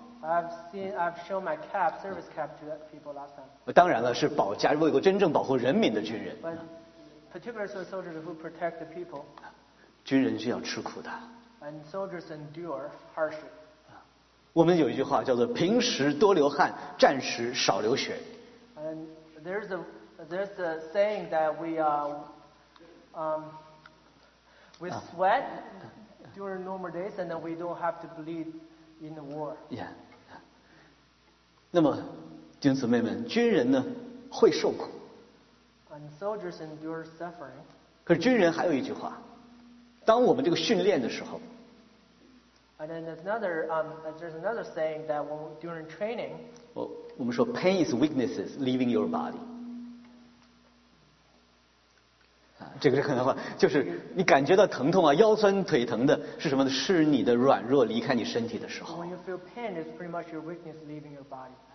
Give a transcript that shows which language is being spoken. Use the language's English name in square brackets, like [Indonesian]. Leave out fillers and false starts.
[English] I've shown my cap, service cap to people last time. [Chinese] 当然了，是保家卫国、真正保护人民的军人。 [English] But particularly the soldiers who protect the people. [Chinese] 军人是要吃苦的。 [English] And soldiers endure hardship. [Chinese] 我们有一句话叫做“平时多流汗，战时少流血”。 [English] And there's a saying that we sweat during normal days, and then we don't have to bleed in the war. Yeah. [Chinese] 那么，弟兄姊妹们，军人呢会受苦。 [English] And soldiers endure suffering. [Chinese] 可是军人还有一句话，当我们这个训练的时候。 [English] And then there's another saying that when, during training. [Chinese] 我们说 [English] pain is weaknesses leaving your body. [Chinese] 这个是很难话，就是你感觉到疼痛啊，腰酸腿疼的是什么呢？是你的软弱离开你身体的时候。 [English] When you feel pain, it's pretty much your weakness leaving your body.